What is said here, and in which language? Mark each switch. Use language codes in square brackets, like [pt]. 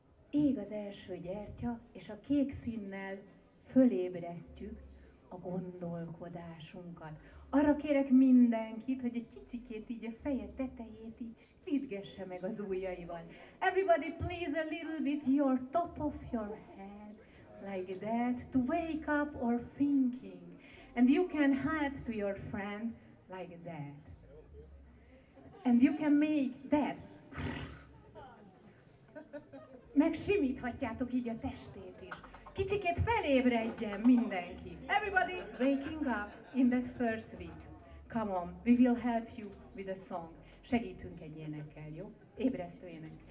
[hu] Ég az első gyertya, és a kék színnel fölébresztjük a gondolkodásunkat. Arra kérek mindenkit, hogy egy kicsikét így a feje tetejét így spritgesse meg az ujjaival. [en] Everybody please a little bit your top of your head like that to wake up our thinking. And you can help to your friend like that. And you can make that. [hu] Megsimíthatjátok így a testét is. Kicsikét felébredjen mindenki. [en] Everybody waking up in that first week. Come on, we will help you with a song. [hu] Segítünk egy énekkel, jó? Ébresztő ének.